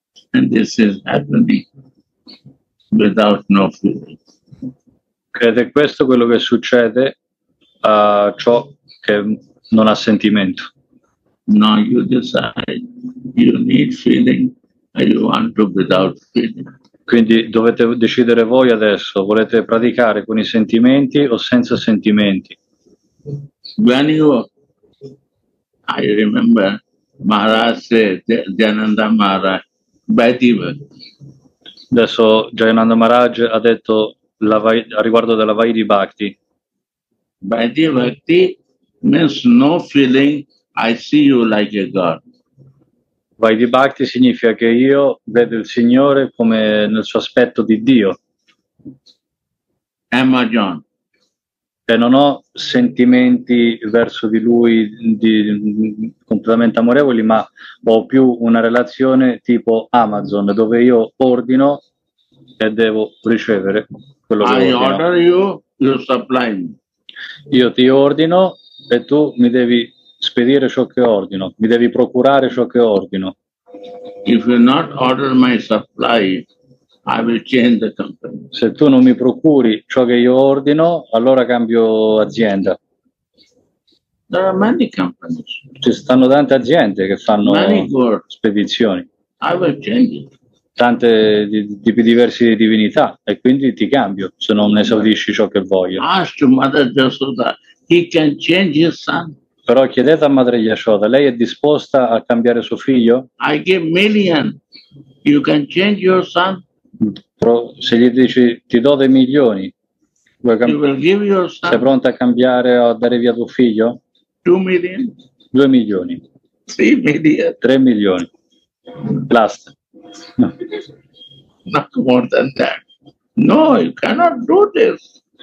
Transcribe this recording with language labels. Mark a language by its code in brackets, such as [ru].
[en] And this is happening without no feeling. [it] Ed è questo quello che succede a ciò che non ha sentimento. [en] No, you decide. You need feeling and you want to without feeling. [it] Quindi dovete decidere voi adesso, volete praticare con i sentimenti o senza sentimenti? [en] When you, I remember Maharaj said, Jayananda Maharaj, by the way. [it] Adesso Jayananda Maharaj ha detto a riguardo della Vaidhi Bhakti. [en] By the Bhakti means no feeling, I see you like a God. [it] Vaidhi Bhakti significa che io vedo il Signore come nel suo aspetto di Dio. [en] Imagine. [it] E non ho sentimenti verso di Lui completamente amorevoli, ma ho più una relazione tipo Amazon, dove io ordino e devo ricevere quello che ordino. [en] I order you, you supply me. [it] Io ti ordino e tu mi devi spedire ciò che ordino, mi devi procurare ciò che ordino. [en] If you not order my supply, I will change the company. [it] Se tu non mi procuri ciò che io ordino, allora cambio azienda. [en] There are many companies. [it] Ci stanno tante aziende che fanno spedizioni. [en] I will change it. [it] Tante tipi diversi di divinità, e quindi ti cambio se non esaudisci ciò che voglio. [en] Ask Mother Yashoda, he can change his son. [it] Però chiedete a Madre Yashoda, lei è disposta a cambiare suo figlio? [en] I give million, you can change your son. [it] Però se gli dici ti do dei milioni, vuoi [en] you will give your son. [it] Sei pronta a cambiare o a dare via tuo figlio? [en] 2 million. [it] 2 milioni. [en] 3 million. [it] 3 milioni. Basta. [en] No. Not more than that. No, you cannot do this.